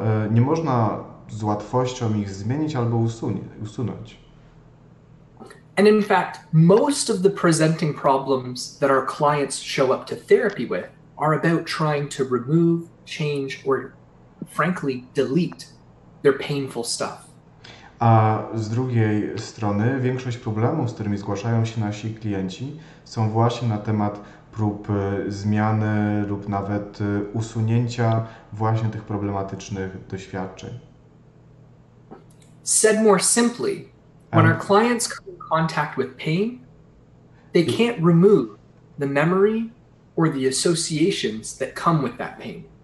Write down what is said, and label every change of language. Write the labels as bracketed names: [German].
[Polish] Nie można z łatwością ich zmienić albo usunąć. [English] And in fact, most of the presenting problems that our clients show up to therapy with are about trying to remove, change, or frankly delete their painful stuff. [Polish] A z drugiej strony, większość problemów, z którymi zgłaszają się nasi klienci, są właśnie na temat prób zmiany lub nawet usunięcia właśnie tych problematycznych doświadczeń. [English] Said more simply, when our clients come in contact with pain, they can't remove the memory or the associations that come with that pain.